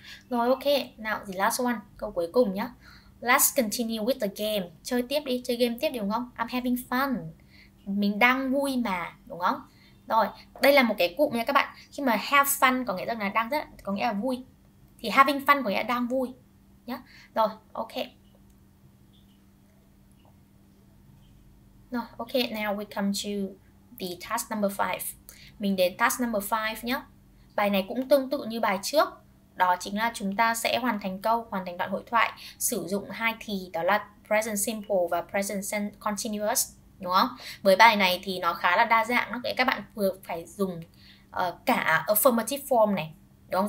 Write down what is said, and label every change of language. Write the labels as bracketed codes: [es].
[vi] Rồi, ok, nào [en] the last one, [vi] câu cuối cùng nhé. [en] Let's continue with the game. [vi] Chơi tiếp đi, chơi game tiếp đúng không? [en] I'm having fun. [vi] Mình đang vui mà, đúng không? Rồi, đây là một cái cụm nha các bạn. Khi mà [en] have fun [vi] có nghĩa là đang rất, có nghĩa là vui. Thì [en] having fun [vi] có nghĩa là đang vui nhé. Rồi, ok. [en] Ok, now we come to the task number 5. [vi] Mình đến [en] task number 5 [vi] nhé. Bài này cũng tương tự như bài trước. Đó chính là chúng ta sẽ hoàn thành câu, hoàn thành đoạn hội thoại sử dụng hai thì, đó là present simple và present continuous, đúng không? Với bài này thì nó khá là đa dạng, nó các bạn vừa phải dùng cả affirmative form này, đúng không?